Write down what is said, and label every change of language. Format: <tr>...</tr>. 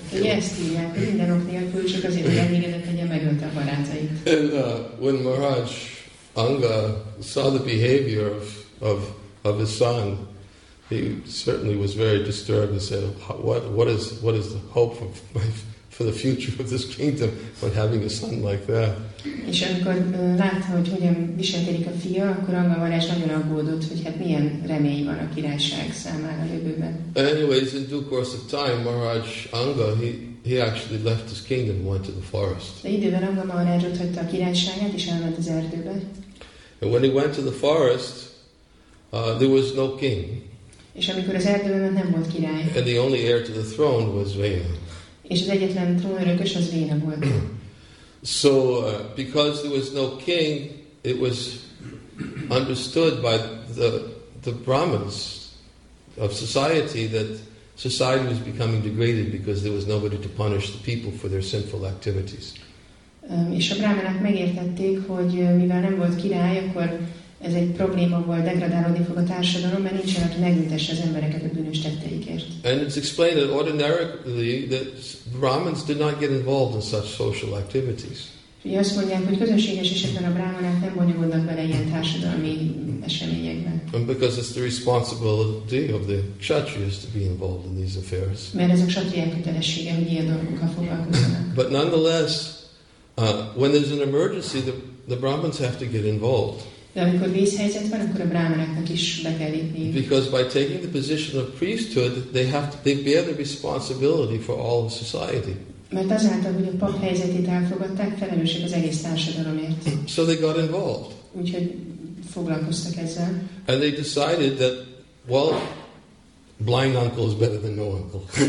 <en>And when Maharaj Anga saw the behavior of his son, he certainly was very disturbed and said, what is the hope for the future of this kingdom when having a son like that?</en> <hu>És amikor látta, hogy hogyan viselkedik a fia, akkor Anga Maharaj nagyon aggódott, hogy hát milyen remény van a királyság számára jövőben.</hu> <en>Anyways, in due course of time, Maharaj Anga, he actually left his kingdom and went to the forest.</en> <hu>De időben Anga Maharaj ott hagyta a királyságát és elment az erdőbe.</hu> <en>And when he went to the forest, there was no king.</en> <hu>És amikor az erdőben ment, nem volt király.</hu> <en>And the only heir to the throne was Vena.</en> <hu>És az egyetlen trónörökös az Vena volt.</hu> <en>So, because there was no king, it was understood by the Brahmins of society that society was becoming degraded because there was nobody to punish the people for their sinful activities.</en> <hu>És a brahmanák megértették, hogy mivel nem volt király, akkor ez egy probléma volt, degradálódni fog a társadalom, mert nincsen, aki megmentesse az embereket a bűnös tetteikért.</hu> <en>And it's explained that ordinarily that Brahmins did not get involved in such social activities.</en> <hu>Ugye azt mondják, hogy közönséges esetben a brámanák nem bonyolódnak bele ilyen társadalmi eseményekben.</hu> <en>And because it's the responsibility of the kshatriyas to be involved in these affairs.</en> <hu>Mert ez a kshatriyák kötelessége, hogy ilyen dolgokkal foglalkozzanak.</hu> <en>But nonetheless, when there's an emergency, the brahmins have to get involved.</en> <hu>De amikor vészhelyzet van, akkor a brámanáknak is be kell lépni.</hu> <en>Because by taking the position of priesthood, they bear the responsibility for all of society.</en> <hu>Mert azáltal, hogy a pap helyzetét elfogadták, felelősség az egész társadalomért.</hu> <en>So they got involved.</en> <hu>Úgyhogy foglalkoztak ezzel.</hu> <en>And they decided that, well, blind uncle is better than no uncle.</en>